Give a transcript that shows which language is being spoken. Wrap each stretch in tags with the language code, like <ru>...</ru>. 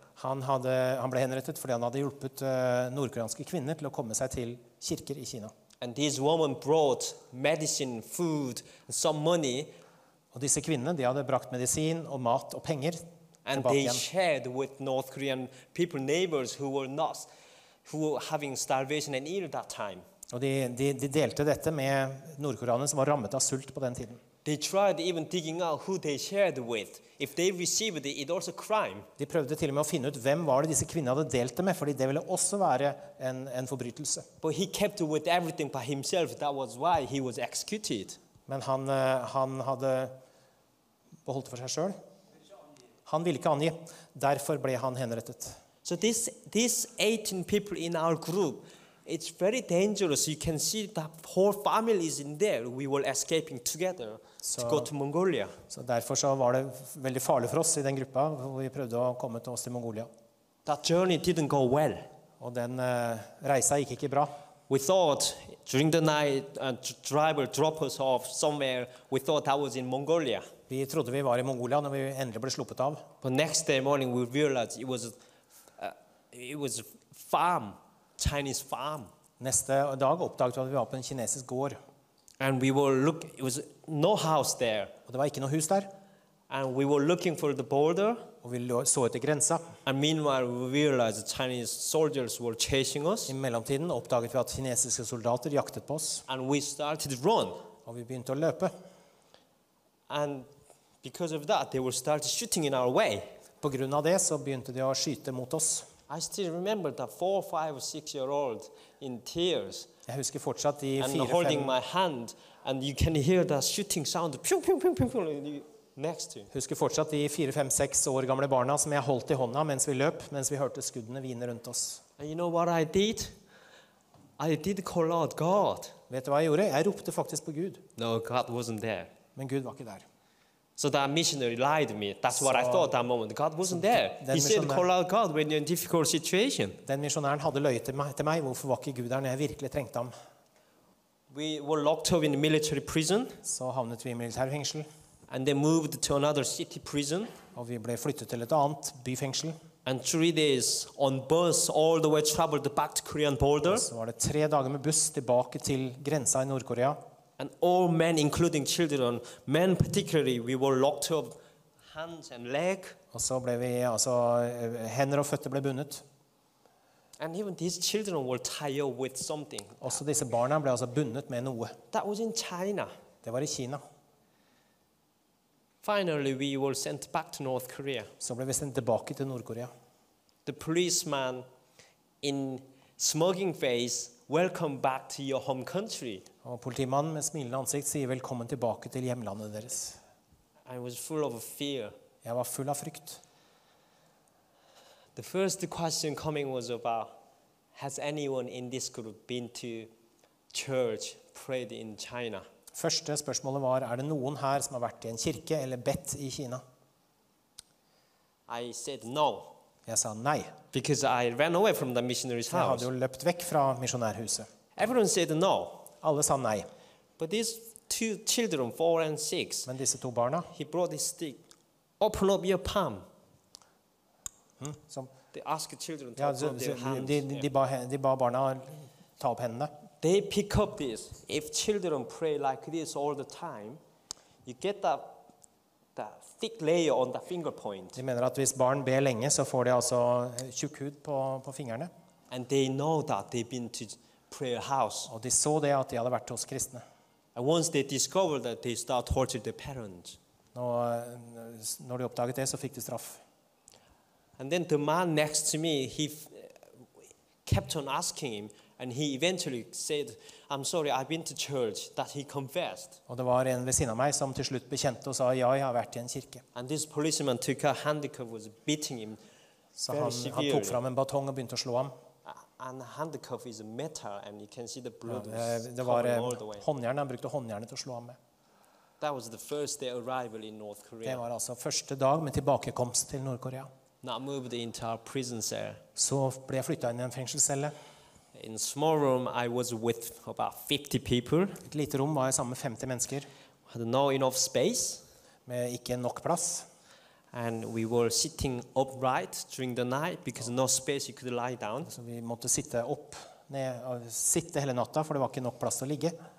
<sv>Han blev henrettet för att han hade hjälpt nordkoreanska kvinnor till att komma sig till kyrkor I Kina.</sv> <en>And these women brought medicine, food, and some money.</en> <sv>Och dessa kvinnor, de hade bragt medicin och mat och pengar.</sv> <en>And they shared with North Korean people, neighbors who were not, who were having starvation and ill at that time.</en> <sv>Och de delte detta med nordkoreaner som var rammet av sult på den tiden.</sv> <en>They tried even digging out who they shared with. If they received it, it was a crime.</en> <sv>De prövade till och med att finna ut vem var det dessa kvinnor hade delte med, för det ville också vara en förbrytelse.</sv> <en>But he kept with everything by himself. That was why he was executed.</en> <sv>Men han hade behållit för sig själv. Han ville inte ange. Därför blev han henrettet.</sv> <en>So this 18 people in our group, it's very dangerous. You can see that whole family is in there. We were escaping together to go to Mongolia.</en> <sv>Så därför så var det väldigt farligt för oss I den gruppen. Vi prövade att komma till oss till Mongolia.</sv> <en>That journey didn't go well.</en> <sv>Och den resan gick inte bra.</sv> <en>We thought during the night a driver dropped us off somewhere. We thought that was in Mongolia.</en> <sv>Vi trodde vi var I Mongolia när vi ändå blev sluppet av.</sv> <en>But next day morning we realized it was a farm, Chinese farm.</en> <sv>Nästa dag upptäckte vi att vi var på en kinesisk gård.</sv> <en>And we were look, it was no house there.</en> <sv>Och det var inte något hus där.</sv> <en>And we were looking for the border.</en> <sv>Och vi såg efter gränsa.</sv> <en>And meanwhile we realized the Chinese soldiers were chasing us.</en> <sv>I mellantiden upptäckte vi att kinesiska soldater jaktade på oss.</sv> <en>And we started to run.</en> <sv>Och vi började att löpa.</sv> <en>And because of that, they were started shooting in our way.</en> <sv>På grund av det så började de att skjuta mot oss.</sv> <en>I still remember that 4, 5, 6 year old in tears.</en> <sv>Jag husker fortsatt de fyra.</sv> <en>And holding my hand, and you can hear the shooting sound. Pum pum pum pum pum. Next to.</en> <sv>Husker fortsatt de 4, 5, 6 år gamla barna som jag holdt I hånda mens vi löp, mens vi hörte skudden vina runt oss.</sv> <en>And you know what I did? I did call out God.</en> <sv>Vet du vad jag gjorde? Jag ropte faktiskt på Gud.</sv> <en>No, God wasn't there.</en> <sv>Men Gud var inte där.</sv> <en>So that missionary lied to me. That's what I thought that moment. God wasn't there. He said, "Call out God when you're in a difficult situation."</en> <sv>Den missionären hade löjt till mig. Varför var inte Gud där när jag verkligen trängt dem?</sv> <en>We were locked up in a military prison.</en> <sv>Så hamnade vi I militärfängsel.</sv> <en>And they moved to another city prison.</en> <sv>Och vi blev flyttade till ett annat byfängsel.</sv> <en>And 3 days on bus all the way traveled back to Korean border.</en> <sv>Så var det 3 dagar med buss tillbaka till gränsen I Nordkorea.</sv> <en>And all men, including children, men particularly, we were locked up, hands and leg.</en> <sv>Och så blev vi, alltså händer och fötter blev bundet.</sv> <en>And even these children were tied up with something.</en> <sv>Och så dessa barnen blev alltså bundet med något.</sv> <en>That was in China.</en> <sv>Det var I Kina.</sv> <en>Finally, we were sent back to North Korea.</en> <sv>Så blev vi sent tillbaka till Nordkorea.</sv> <en>The policeman, in smugging face, welcome back to your home country.</en> <sv>Och politimannen med smilande ansikt säger välkommen tillbaka till hemlandet deras.</sv> <en>I was full of fear.</en> <sv>Jag var full av frukt.</sv> <en>The first question coming was about has anyone in this group been to church, prayed in China?</en> <sv>Första frågan var är det någon här som har varit I en kyrka eller bett I Kina?</sv> <en>I said no.</en> <sv>Jag sa nej.</sv> <en>Because I ran away from the missionary's house.</en> <sv>Jag hade ju löpt väck från missionärhuset.</sv> <en>Everyone said no.</en> <sv>Alla sa nej.</sv> <en>But these two children, 4 and 6.</en> <no>Men disse to barna.</no> <en>He brought his stick. Open up your palm.</en> <no>Som,</no> <en>they asked children to open their hands.</en> <no>De ba barna ta opp hendene.</no> <en>They pick up this. If children pray like this all the time, you get that the thick layer on the finger point.</en> <no>De mener at hvis barn ber lenge, så får de altså tjukk hud på fingrene.</no> <en>And they know that they've been to prayer house.</en> <no>Og de så det at de hadde vært hos kristne.</no> <en>And once they discovered that, they start torturing their parents.</en> <no>Når de oppdaget det, så fikk de straff.</no> <en>And then the man next to me, he kept on asking him, and he eventually said, "I'm sorry, I've been to church." That he confessed.</en> <no>Og det var en ved siden av meg som til slutt bekjente og sa, "Ja, jeg har vært I en kirke."</no> <en>And this policeman took a handcuff, was beating him very severely.</en> <no>Så han tok fram en batong og begynte å slå ham.</no> <en>And the handcuff is metal, and you can see the blood.</en> <no>Det var håndjern. Han brukte håndjernet til å slå ham med.</no> <en>That was the first day arrival in North Korea.</en> <no>Det var altså første dag med tilbakekomst til Nord-Korea.</no> <en>Now moved into our prison cell.</en> <no>Så ble jeg flyttet inn I en fengselscelle.</no> <en>In small room, I was with about 50 people.</en> <no>Et lite rom var jeg sammen med 50 mennesker.</no> <en>Had no enough space.</en> <no>Med ikke nok plass.</no> <en>And we were sitting upright during the night because no space you could lie down.</en> <no>Så vi måtte sitte opp, ned, og sitte hele natta for det var ikke nok plass å ligge.</no>